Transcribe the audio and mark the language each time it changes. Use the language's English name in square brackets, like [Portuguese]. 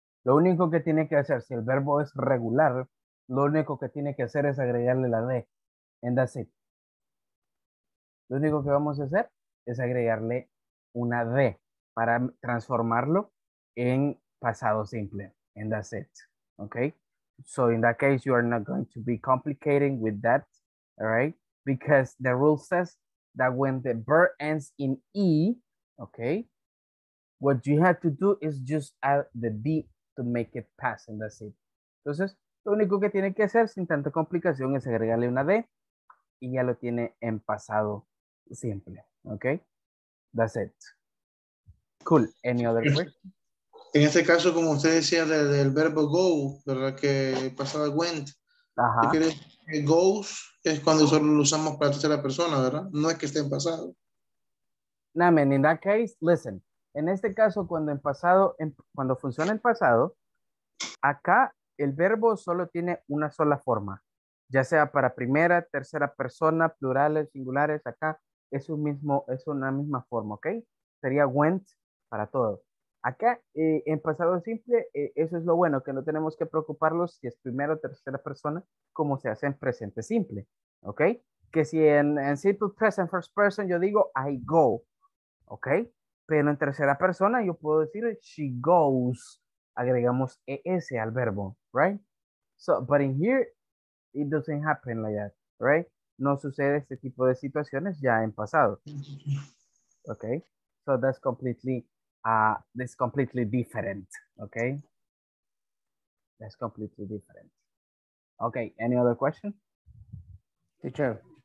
[Spanish] Lo único que tiene que hacer, si el verbo es regular, lo único que tiene que hacer es agregarle la D. [English] And that's it. [Spanish] Lo único que vamos a hacer es agregarle una D para transformarlo en pasado simple. [English] And that's it. Okay? So in that case, you are not going to be complicating with that. All right? Because the rule says that when the verb ends in E, okay, what you have to do is just add the B to make it pass, and that's it. [Spanish] Entonces, lo único que tiene que hacer sin tanta complicación es agregarle una D y ya lo tiene en pasado simple, okay? [English] That's it. Cool, any other question? [Spanish] En este caso, como usted decía del verbo go, ¿verdad? Que pasaba went. Ajá. ¿Qué quiere decir que goes es cuando solo lo usamos para tercera persona, ¿verdad? No es que esté en pasado. [English] Nah, man, in that case, listen. [Spanish] En este caso, cuando en pasado, cuando funciona en pasado, acá el verbo solo tiene una sola forma, ya sea para primera, tercera persona, plurales, singulares, acá es un mismo, es una misma forma, ¿ok? Sería went para todo. Acá, en pasado simple, eso es lo bueno, que no tenemos que preocuparnos si es primera o tercera persona, como se hace en presente simple, ¿ok? Que si en simple present first person yo digo, [English] I go, [Spanish] ¿ok? Pero en tercera persona yo puedo decir [English] she goes. [Spanish] Agregamos ES al verbo, right? [English] So, but in here, it doesn't happen like that, right? [Spanish] No sucede este tipo de situaciones ya en pasado. [English] Okay? So that's completely, that's completely different, okay? That's completely different. Okay, any other question? Teacher.